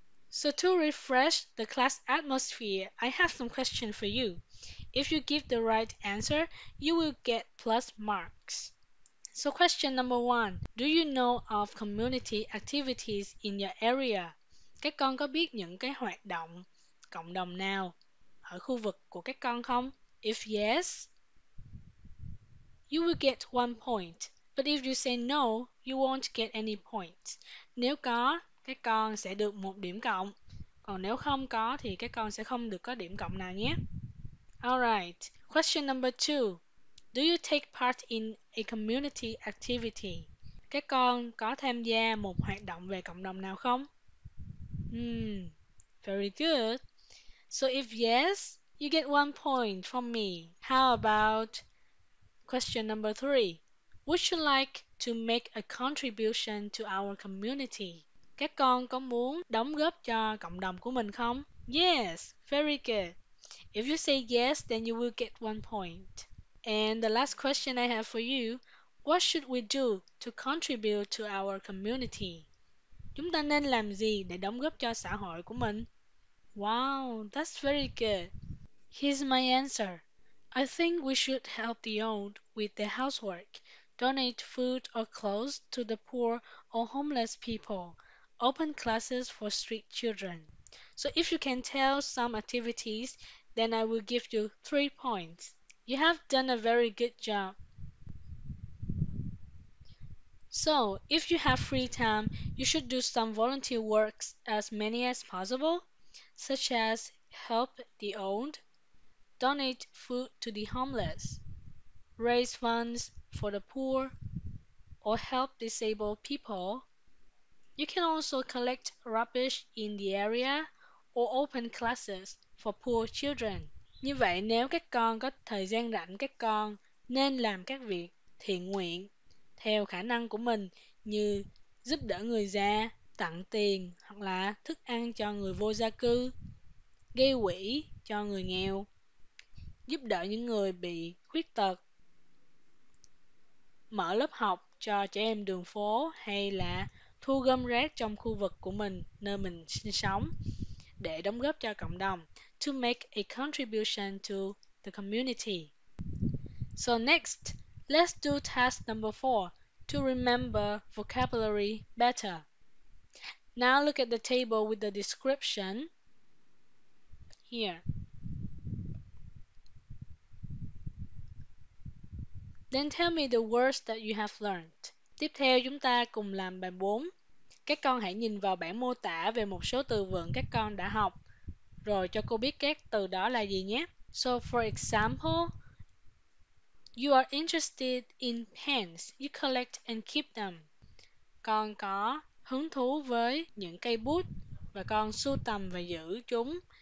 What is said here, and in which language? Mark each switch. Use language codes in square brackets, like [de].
[en] So to refresh the class atmosphere, I have some questions for you. If you give the right answer, you will get plus marks. So question number one, do you know of community activities in your area? [vi] Các con có biết những cái hoạt động cộng đồng nào ở khu vực của các con không? [en] If yes, you will get 1 point. But if you say no, you won't get any points. [vi] Nếu có, các con sẽ được 1 điểm cộng. Còn nếu không có thì các con sẽ không được có điểm cộng nào nhé. [en] Alright, question number 2. Do you take part in a community activity? [vi] Các con có tham gia một hoạt động về cộng đồng nào không? [en] Very good. So if yes, you get 1 point from me. How about question number 3? Would you like to make a contribution to our community? [vi] Các con có muốn đóng góp cho cộng đồng của mình không? [en] Yes, very good. If you say yes, then you will get 1 point. And the last question I have for you, what should we do to contribute to our community? [vi] Chúng ta nên làm gì để đóng góp cho xã hội của mình? [en] Wow, that's very good. Here's my answer. I think we should help the old with their housework. Donate food or clothes to the poor or homeless people. Open classes for street children. So if you can tell some activities, then I will give you 3 points. You have done a very good job. So if you have free time, you should do some volunteer works, as many as possible, such as help the old, donate food to the homeless, raise funds for the poor, or help disabled people. You can also collect rubbish in the area or open classes for poor children. [vi] Như vậy, nếu các con có thời gian rảnh, các con nên làm các việc thiện nguyện theo khả năng của mình, như giúp đỡ người già, tặng tiền hoặc là thức ăn cho người vô gia cư, gây quỹ cho người nghèo, giúp đỡ những người bị khuyết tật, mở lớp học cho trẻ em đường phố hay là thu gom rác trong khu vực của mình, nơi mình sinh sống. để đóng góp cho cộng đồng, [en] to make a contribution to the community. So next, let's do task number 4, to remember vocabulary better. Now look at the table with the description here. Then tell me the words that you have learned. [vi] Tiếp theo chúng ta cùng làm bài 4. Các con hãy nhìn vào bảng mô tả về một số từ vựng các con đã học, rồi cho cô biết các từ đó là gì nhé. [en] So for example, you are interested in pens. You collect and keep them. [vi] Con có hứng thú với những cây bút và con sưu tầm và giữ chúng.